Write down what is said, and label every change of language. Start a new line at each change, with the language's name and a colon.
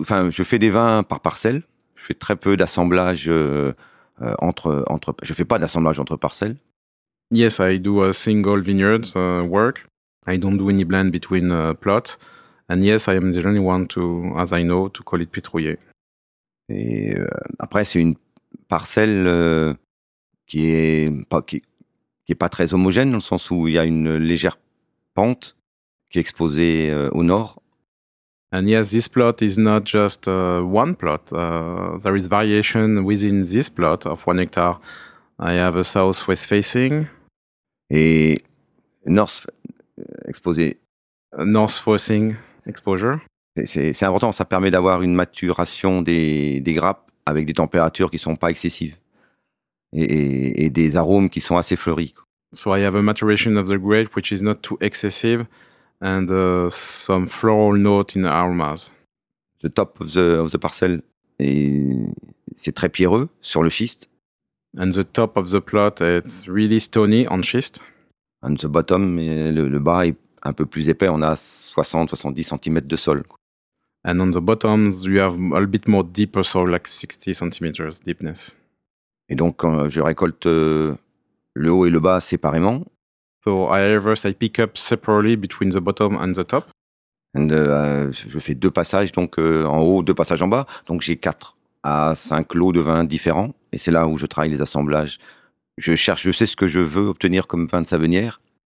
French: Enfin, je fais des vins par parcelle. Je fais très peu d'assemblage entre. Je fais pas d'assemblage entre parcelles.
English: Yes, I do a single vineyards work. I don't do any blend between plots. And yes, I am the only one to, as I know, to call it Pitroulet. Et après, c'est une parcelle qui est pas très homogène dans le sens où il y a une légère pente qui est exposée au nord. And yes, this plot is not just one plot. There is variation within this plot of 1 hectare. I have a southwest facing.
French: Et north exposé.
English: North facing exposure.
French: C'est important, ça permet d'avoir une maturation des grappes avec des températures qui ne sont pas excessives et des arômes qui sont assez fleuris.
English: So I have a maturation of the grape which is not too excessive and some floral note in the aromas. The top of the parcel,
French: c'est très pierreux sur le schiste.
English: And the top of the plot, it's really stony on schist. And the bottom,
French: le bas est un peu plus épais, on a 60-70 cm de sol.
English: And on the bottoms, you have a little bit more deeper soil, like 60 centimeters deepness.
French: Et donc, je récolte le haut et le bas séparément.
English: So I harvest, I pick up separately between the bottom and the top.
French: And je fais 2 passages, donc en haut, 2 passages en bas. Donc j'ai 4 à 5 lots de vins différents. Et c'est là où je travaille les assemblages. Je sais ce que je veux obtenir comme vin de Savennières.